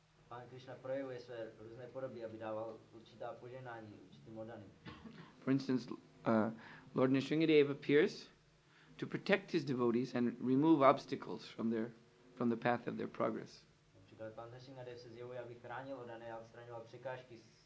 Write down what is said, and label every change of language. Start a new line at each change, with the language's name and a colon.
Czech: Pan Krishna projevuje své různé podoby, aby dával určitá požehnání určitým oddaným.
English: For instance, Lord Nrisimhadeva appears to protect his devotees and remove obstacles from the path of their progress.
Czech: Například pan Nrisimhadeva se zjevuje, aby chránil oddané a odstraňoval překážky.